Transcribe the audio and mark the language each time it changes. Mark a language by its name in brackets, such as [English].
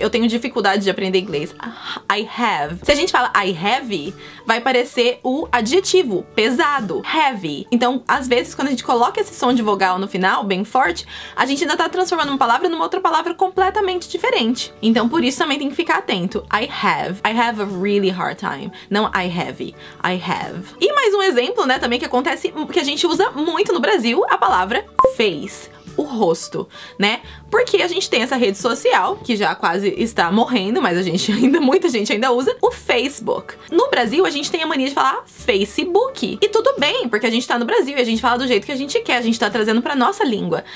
[Portuguese] Eu tenho dificuldade de aprender inglês. [English] I have. [Portuguese] Se a gente fala I have, vai parecer o adjetivo, pesado, heavy. Então, às vezes, quando a gente coloca esse som de vogal no final, bem forte, a gente ainda tá transformando uma palavra numa outra palavra completamente diferente. Então, por isso, também tem que ficar atento. [English] I have a really hard time. [Portuguese] Não [English] I have, I have. [Portuguese] E mais um exemplo, né, também que acontece, que a gente usa muito no Brasil, a palavra face. O rosto, né? Porque a gente tem essa rede social, que já quase está morrendo, mas a gente ainda, muita gente ainda usa, o Facebook. No Brasil, a gente tem a mania de falar Facebook. E tudo bem, porque a gente tá no Brasil e a gente fala do jeito que a gente quer, a gente tá trazendo pra nossa língua.